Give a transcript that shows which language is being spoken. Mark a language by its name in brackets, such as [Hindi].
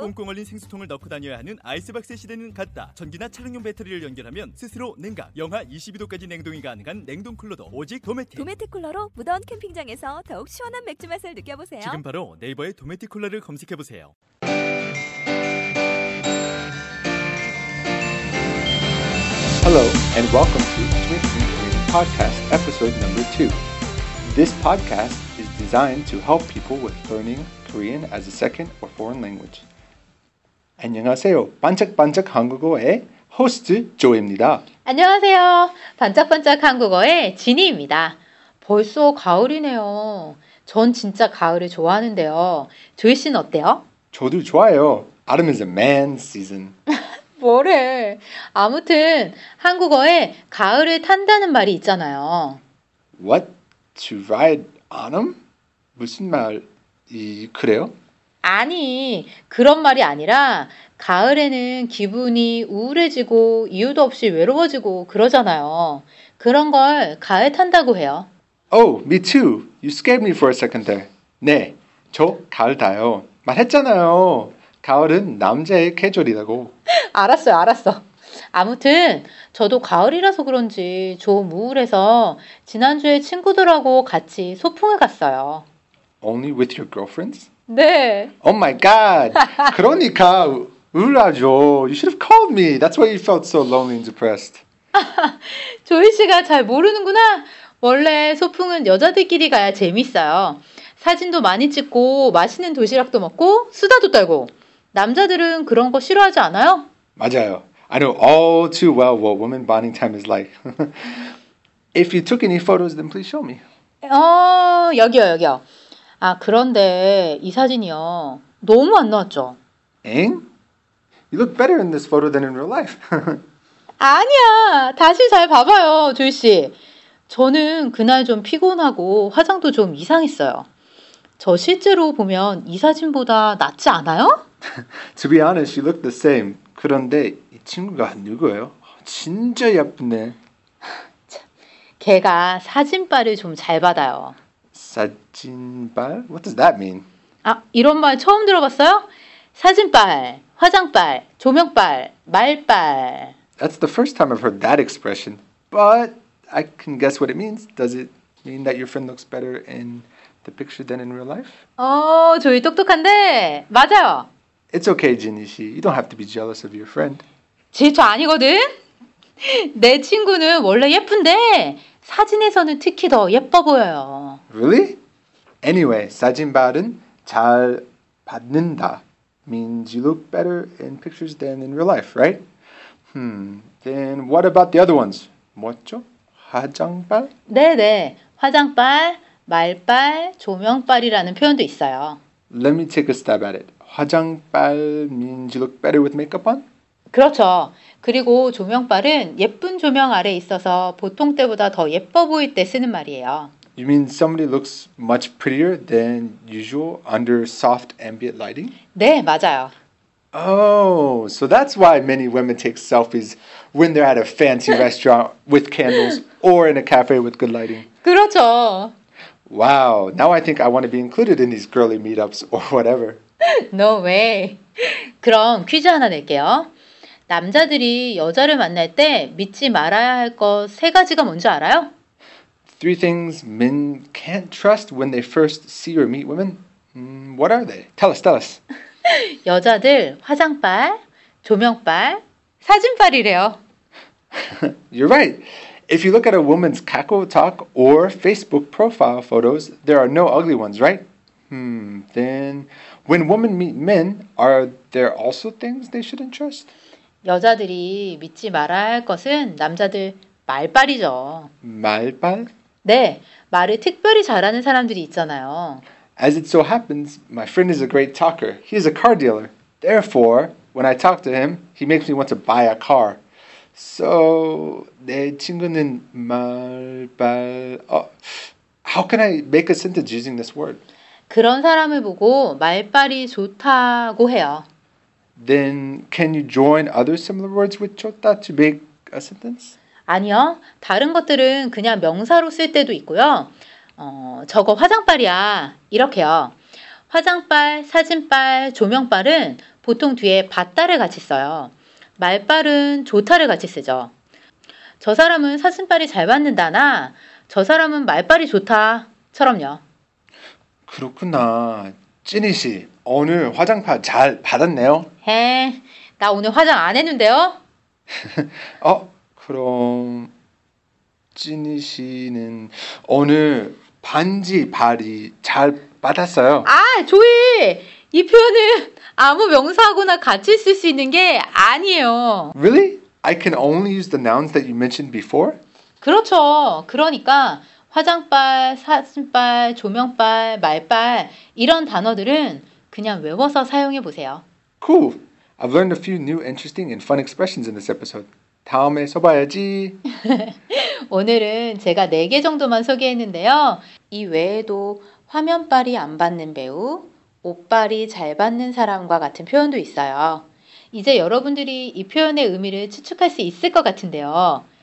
[Korean] 꽁꽁 얼린 생수통을 넣고 다녀야 하는 아이스박스 시대는 갔다 전기나 차량용 배터리를 연결하면 스스로 냉각 영하 22도까지 냉동이 가능한 냉동 쿨러도 오직 도메틱 도메틱 쿨러로 무더운 캠핑장에서 더욱 시원한 맥주 맛을 느껴보세요 지금 바로 네이버에 도메틱 쿨러를 검색해보세요 [English] Hello and welcome to Podcast episode number 2. This podcast is designed to help people with learning Korean as a second or foreign language. [Korean] 안녕하세요. 반짝반짝 한국어의 호스트 조입니다. 안녕하세요. 반짝반짝 한국어의 지니입니다. 벌써 가을이네요. 전 진짜 가을을 좋아하는데요. 조이 씨는 어때요? 저도 좋아요. [English] Autumn is a man season. [Korean] 뭐래. 아무튼 한국어에 가을을 탄다는 말이 있잖아요. [English] What? To ride autumn? [Korean] 무슨 말이 그래요? 아니, 그런 말이 아니라 가을에는 기분이 우울해지고 이유도 없이 외로워지고 그러잖아요. 그런 걸 가을 탄다고 해요. [English] Oh, me too. You scared me for a second there. [Korean] 네, 저 가을 타요. 말했잖아요. 가을은 남자의 계절이라고. 알았어요, 알았어. 아무튼 저도 가을이라서 그런지 좀 우울해서 지난주에 친구들하고 같이 소풍을 갔어요. [English] Only with your girlfriends? [Korean] 네. [English] Oh my god. [Korean] 그러니까 우울하죠. [English] You should have called me. That's why you felt so lonely and depressed. [Korean] 조이 씨가 잘 모르는구나. 원래 소풍은 여자들끼리 가야 재밌어요. 사진도 많이 찍고 맛있는 도시락도 먹고 수다도 떨고. 남자들은 그런 거 싫어하지 않아요? 맞아요. [English] I know all too well what woman bonding time is like. If you took any photos, then please show me. [Korean] 여기요, 여기요. 아, 그런데 이 사진이요. 너무 안 나왔죠? 엥? [English] You look better in this photo than in real life. [Korean] 아니야. 다시 잘 봐봐요, 조이 씨. 저는 그날 좀 피곤하고 화장도 좀 이상했어요. 저 실제로 보면 이 사진보다 낫지 않아요? [English] To be honest, you look the same. [Korean] 그런데 이 친구가 누구예요? 진짜 예쁘네. 걔가 사진빨을 좀 잘 받아요. [English] 사진빨? What does that mean? [Korean] 아, 이런 말 처음 들어봤어요? 사진빨, 화장빨, 조명빨, 말빨. [English] That's the first time I've heard that expression. But I can guess what it means. Does it mean that your friend looks better in the picture than in real life? [Korean] 조이 똑똑한데? 맞아요. [English] It's okay, Jinny 씨. You don't have to be jealous of your friend. [Korean] 질투 아니거든? 내 친구는 원래 예쁜데 사진에서는 특히 더 예뻐 보여요. [English] Really? Anyway, [Korean] 사진발은 잘 받는다. [English] Means you look better in pictures than in real life, right? Then what about the other ones? [Korean] 뭐죠? 화장발? 네네. 화장발, 말발, 조명발이라는 표현도 있어요. [English] Let me take a stab at it. 화장빨 means you look better with makeup on? [Korean] 그렇죠. 그리고 조명빨은 예쁜 조명 아래 있어서 보통 때보다 더 예뻐 보일 때 쓰는 말이에요. [English] You mean somebody looks much prettier than usual under soft ambient lighting? [Korean] 네, 맞아요. [English] Oh, so that's why many women take selfies when they're at a fancy restaurant with candles or in a cafe with good lighting. [Korean] 그렇죠. [English] Wow, now I think I want to be included in these girly meetups or whatever. No way. [Korean] 그럼 퀴즈 하나 낼게요. 남자들이 여자를 만날 때 믿지 말아야 할 것 세 가지가 뭔지 알아요? [English] Three things men can't trust when they first see or meet women. What are they? Tell us, tell us. [Korean] 여자들 화장빨, 조명빨, 사진빨이래요. [English] You're right. If you look at a woman's KakaoTalk or Facebook profile photos, there are no ugly ones, right? Then when women meet men, are there also things they shouldn't trust? [Korean] 여자들이 믿지 말아야 할 것은 남자들 말빨이죠. 말빨? 네, 말을 특별히 잘하는 사람들이 있잖아요. [English] As it so happens, my friend is a great talker. He is a car dealer. Therefore, When I talk to him, he makes me want to buy a car. [Korean] So, 내 친구는 말발... [English] How can I make a sentence using this word? [Korean] 그런 사람을 보고 말발이 좋다고 해요. [English] Then, can you join other similar words with 좋다 to make a sentence? [Korean] 아니요. 다른 것들은 그냥 명사로 쓸 때도 있고요. 저거 화장발이야. 이렇게요. 화장발, 사진발, 조명발은 보통 뒤에 봤다를 같이 써요. 말발은 좋다를 같이 쓰죠. 저 사람은 사진발이 잘 받는다나 저 사람은 말발이 좋다처럼요. 그렇구나. 찐이 씨, 오늘 화장발 잘 받았네요. 헤, 나 오늘 화장 안 했는데요? 그럼 찐이 씨는 오늘 반지 발이 잘 받았어요? 아, 조이! 이 표현은 아무 명사하고나 같이 쓸 수 있는 게 아니에요. [English] Really? I can only use the nouns that you mentioned before? [Korean] 그렇죠. 그러니까 화장발, 사진발, 조명발, 말발 이런 단어들은 그냥 외워서 사용해 보세요. [English] Cool! I've learned a few new interesting and fun expressions in this episode. [Korean] 다음에 써봐야지. 오늘은 제가 4개 정도만 소개했는데요. 이 외에도 화면발이 안 받는 배우, 옷발이 잘 받는 사람과 같은 표현도 있어요. 이제 여러분들이 이 표현의 의미를 추측할 수 있을 것 같은데요.